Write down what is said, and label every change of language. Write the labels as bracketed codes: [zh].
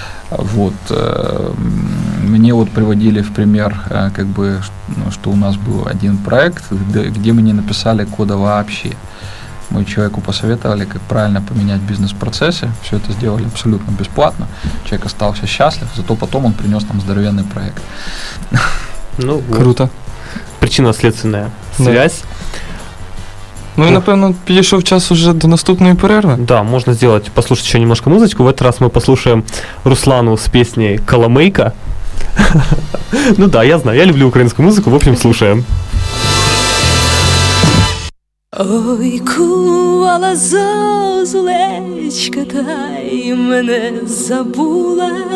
[ru] Вот, мне вот приводили в пример, как бы, что у нас был один проект, где мы не написали кода вообще. Мы человеку посоветовали, как правильно поменять бизнес-процессы, все это сделали абсолютно бесплатно, человек остался счастлив, зато потом он принес нам здоровенный проект. Ну, вот. Круто. Причинно-следственная связь. [uk] Ну и, напевно, підійшов час уже до наступної перерви. [ru] Да, можна сделать, послушать ще немножко музичку. В этот раз [uk] ми послушаємо Руслану з пісні «Коломийка». Ну да, я знаю, я люблю українську музику, [ru] в общем, [uk] слушаємо. Ой, кувала зозулечка, та й мене забула.